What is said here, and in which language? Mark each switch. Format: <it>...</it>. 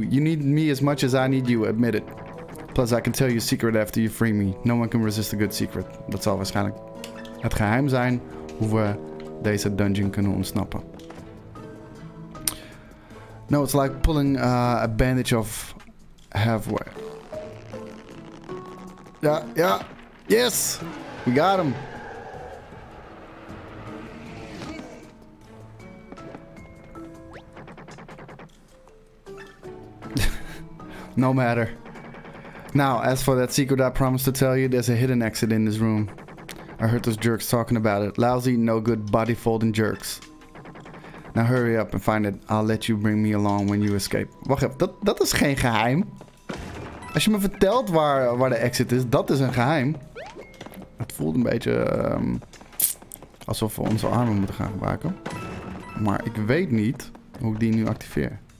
<en>You need me as much as I need you, admit it. Plus, I can tell you a secret after you free me. No one can resist a good secret.</en> <nl>Dat zal waarschijnlijk het geheim zijn hoe we deze dungeon kunnen ontsnappen.</nl> <en>No, it's like pulling a bandage off halfway. Yeah. Yes! We got him! No matter. Now, as for that secret I promised to tell you, there's a hidden exit in this room. I heard those jerks talking about it. Lousy, no good body folding jerks. Now hurry up and find it. I'll let you bring me along when you escape.</en> <nl>Wacht even, dat is geen geheim. Als je me vertelt waar de exit is, dat is een geheim. Het voelt een beetje alsof we onze armen moeten gaan gebruiken. Maar ik weet niet hoe ik die nu activeer.</nl>